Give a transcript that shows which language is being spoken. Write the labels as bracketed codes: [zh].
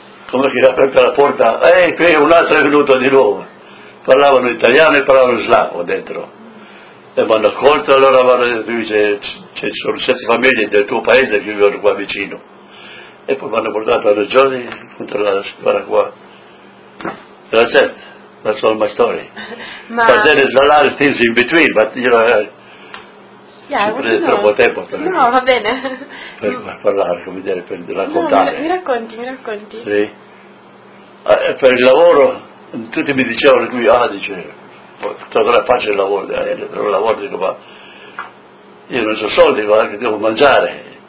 [it] Come che era aperta la porta, qui un altro è venuto di nuovo, parlavano italiano e parlavano slavo dentro. E mi hanno accolto, allora mi hanno detto, ci sono 7 famiglie del tuo paese che vivono qua vicino. E poi mi hanno portato a Regioni, contro la signora qua. E la gente, [en] that's all my story. [it] Ma [en] but there is a lot of things in between, but you know, [it] ci prende troppo tempo per... No, va bene. Per parlare, come dire, per raccontare. No, mi racconti. Sì. E per il lavoro, tutti mi dicevano, lui, dice... Tuttora faccio il lavoro, però il lavoro dico, ma io non ho soldi, ma anche devo mangiare.